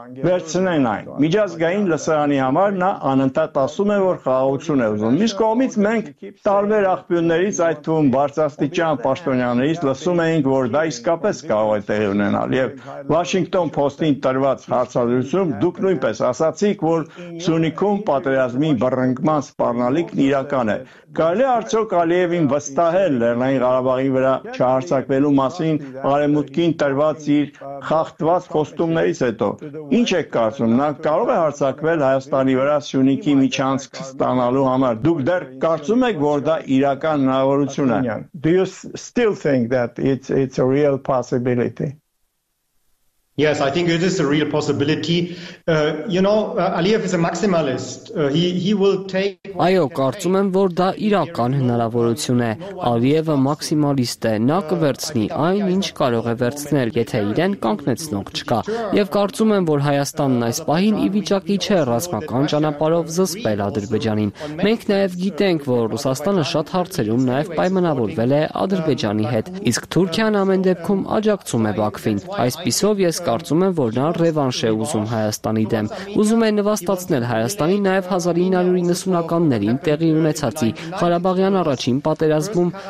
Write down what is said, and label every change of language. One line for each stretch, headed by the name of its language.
Armenian: վերցնեն այն։ Միջազգային լսարանի համար նա անընդհատ ասում է, որ խաղաղություն է ուզում։ Իսկ կողմից մենք տարբեր աղբյուրներից այդ Թուն Բարձաստիճան պաշտոնյաներից լսում էինք, որ դա իսկապես կարող է տեղի ունենալ, եւ Washington Post-ին տրված հարցադրությամբ դուք նույնպես ասացիք, որ Սյունիքում պատերազմի բռնկման սպառնալիքն իրական է։ Կարելի արդյոք Ալիևին վստահել Լեռնային Ղարաբաղի վրա չհարձակվելու մասին արեմուտքին տրված իր խախտված խոստումներից հետո։ Ինչ եք կարծում, նա կարող է հարձակվել Հայաստանի վրա Սյունիքի միջանցք ստանալու համար։ Դուք դեռ կարծում եք, որ դա իրական հնարավոր
English: Do you still think that it's a real possibility? Yes, I think it is a real possibility. Aliyev is a maximalist. He will take
Armenian: Այո, կարծում եմ, որ դա իրական հնարավորություն է։ Ալիևը մաքսիմալիստ է, նա կվերցնի այն, ինչ կարող է վերցնել, եթե իրեն կանգնեցնող չկա։ Եվ կարծում եմ, որ Հայաստանն այս պահին ի վիճակի չէ ռազմական ճանապարհով զսպել Ադրբեջանին։ Մենք նաև գիտենք, որ Ռուսաստանը շատ հարցերում նաև պայմանավորվել է Ադրբեջանի հետ, իսկ Թուրքիան ամեն դեպքում աջակցում է Բաքվին։ Այսպիսով ես կարծում եմ, որ նա ռևանշ է ուզում Հայաստանի դեմ։ Ուզում է նվաստացնել Հայաստանի նաև 1990-ականների տեղի ունեցածի Ղարաբաղյան առաջին պատերազմում